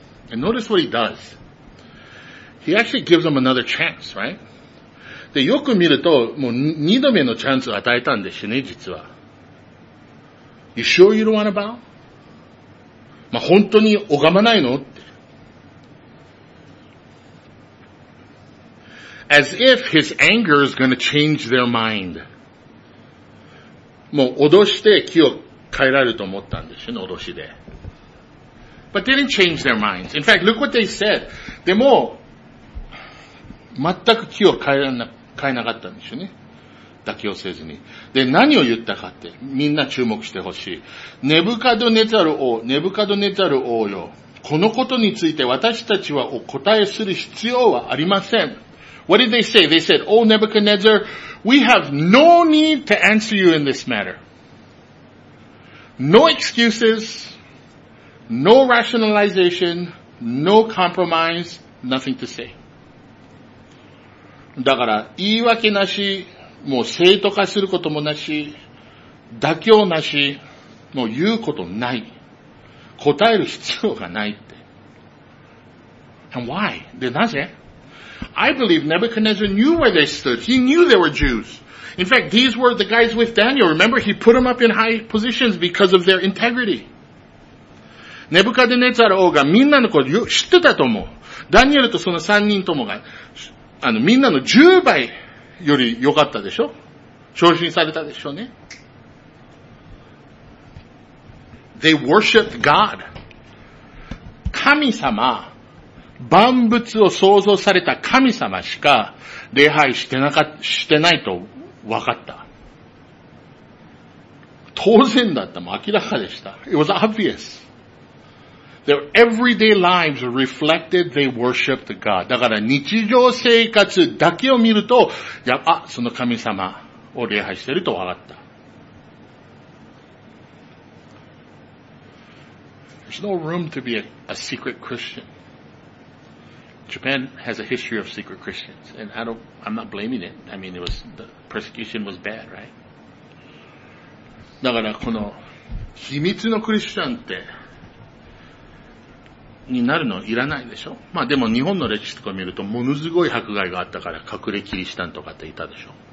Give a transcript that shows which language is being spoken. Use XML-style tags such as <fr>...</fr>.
<en>And notice what he does. He actually gives them another chance, right?</en> <ja>で、よく見ると、もう二度目のチャンスを与えたんですよね、実は。</ja> <en>You sure you don't want to bow?</en> <ja>まあ、本当に拝まないの？って。</ja> <en>As if his anger is going to change their mind.</en> <ja>もう脅して気を変えられると思ったんですよね、脅しで。</ja> <en>But they didn't change their minds. In fact, look what they said.</en> <ja>でも、全く気を変えなかったんですよね。妥協せずに。で、何を言ったかって、みんな注目してほしい。ネブカドネザル王、ネブカドネザル王よ。このことについて私たちはお答えする必要はありません。</ja> <en>What did they say? They said, Oh, Nebuchadnezzar, we have no need to answer you in this matter. No excuses, no rationalization, no compromise, nothing to say.</en> <ja>だから言い訳なし、もう正当化することもなし、妥協なし、もう言うことない。答える必要がないって。</ja> <en>And why?</en> <ja>で、なぜ?</ja> <en>I believe Nebuchadnezzar knew where they stood. He knew they were Jews. In fact, these were the guys with Daniel. Remember, he put them up in high positions because of their integrity.</en> <ja>ネブカデネザル王がみんなのこと知ってたと思う。ダニエルとその三人ともが、あの、みんなの10倍より良かったでしょ? 昇進されたでしょうね。</ja> <en>They worshiped God.</en> <ja>神様、万物を創造された神様しか礼拝してないと分かった。当然だった。もう明らかでした。</ja> <en>It was obvious. Their everyday lives reflected they worshipped God.</en> <ja>だから日常生活だけを見ると、やっぱその神様を礼拝していると分かった。</ja> <en>There's no room to be a secret Christian. Japan has a history of secret Christians, and I'm not blaming it. I mean, the persecution was bad, right?</en> <ja>だからこの秘密のクリスチャンって、になるのいらないでしょ。まあでも日本の歴史とか見るとものすごい迫害があったから隠れキリシタンとかっていたでしょ。</ja>